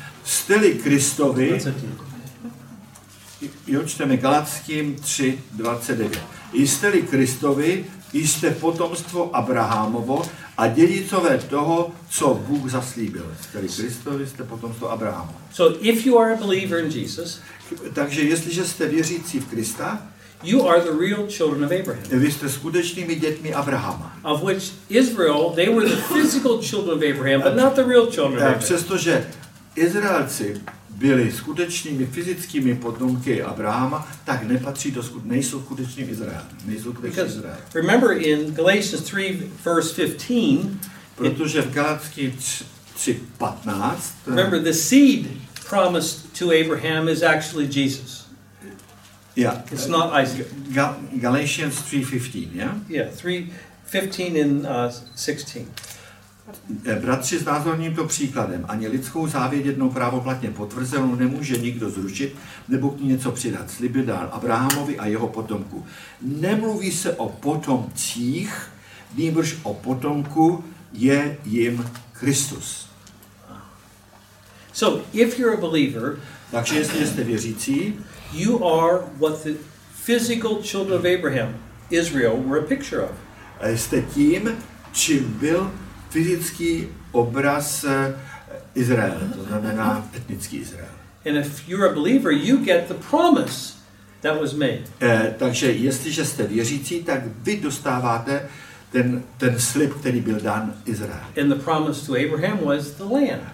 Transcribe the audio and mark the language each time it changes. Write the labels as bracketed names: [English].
[Czech] Jste-li Kristovi, čteme Galackým 3, 29. Jste-li Kristovi, jste potomstvo Abrahamovo a dědicové toho, co Bůh zaslíbil. Jste-li Kristovi, jste potomstvo Abrahamovo. [English] So if you are a believer in Jesus, [Czech] takže jestliže jste věřící v Krista, [English] you are the real children of Abraham. [Czech] Vy jste skutečnými dětmi Abrahama. [English] Of which Israel, they were the physical children of Abraham, but not the real children of Abraham. [Czech] Přestože Izraelci byli skutečnými fyzickými potomky Abrahama, tak nepatří do nejsou skutečným Izraelem. [English] Remember in Galatians 3 verse 15, [Czech] protože v Galatským 3 15, [English] remember the seed promised to Abraham is actually Jesus. Yeah, it's not Isaac. Galatians 3:15, yeah? Yeah, 3:15 in 16. [Czech] Bratři, znázorním to příkladem. Ani lidskou závěť jednou právoplatně potvrzenou nemůže nikdo zrušit nebo k ní něco přidat. Sliby dal Abrahamovi a jeho potomku. Nemluví se o potomcích, nýbrž o potomku je jim Kristus. [English] So, if you're a believer, [Czech] takže jestli jste věřící, [English] you are what the physical children of Abraham, Israel, were a picture of. [Czech] Jste tím, čím byl fyzický obraz Izraele, to znamená etnický Izrael. [English] And if you're a believer, you get the promise that was made. [Czech] Takže jestliže jste věřící, tak vy dostáváte ten slib, který byl dán Izraeli. [English] And the promise to Abraham was the land.